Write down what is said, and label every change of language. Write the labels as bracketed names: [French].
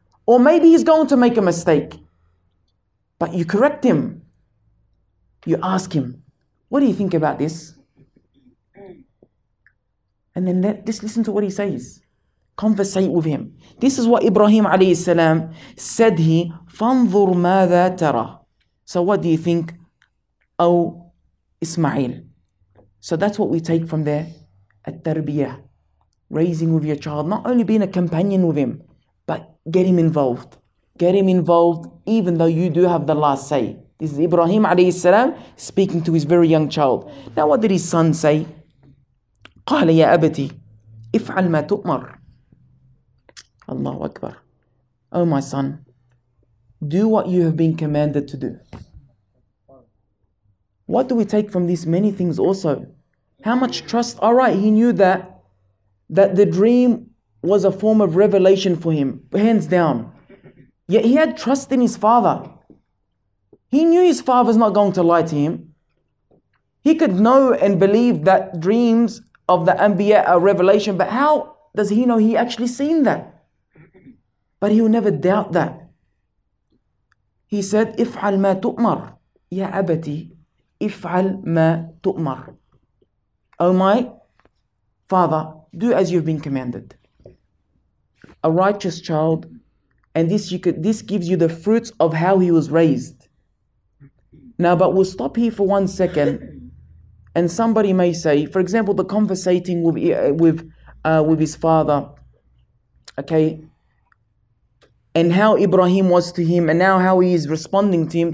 [English] Or maybe he's going to make a mistake. But you correct him. You ask him, what do you think about this? And then just listen to what he says. Conversate with him. This is what Ibrahim alayhi salam said. [Arabic] He, فَانْظُرْ مَاذَا تَرَى. [English] So what do you think, oh Ismail? So that's what we take from there. At-tarbiyah. Raising with your child, not only being a companion with him, but get him involved. Get him involved, even though you do have the last say. This is Ibrahim alayhi salam speaking to his very young child. Now what did his son say? [Arabic] قَالَ يَا أَبَتِي إِفْعَلْ مَا تُؤْمَرْ. Allahu Akbar. [English] Oh my son, do what you have been commanded to do. What do we take from these many things also? How much trust? All right, he knew that the dream was a form of revelation for him, hands down. Yet he had trust in his father. He knew his father's not going to lie to him. He could know and believe that dreams of the Anbiya are revelation, but how does he know he actually seen that? But he will never doubt that. [Arabic] He said, إِفْعَلْ مَا تُؤْمَرْ يَا أَبَتِي إِفْعَلْ مَا تُؤْمَرْ. [English] Oh my father, do as you've been commanded. A righteous child, and this gives you the fruits of how he was raised. Now, but we'll stop here for 1 second, and somebody may say, for example, the conversating with his father, okay, and how Ibrahim was to him, and now how he is responding to him.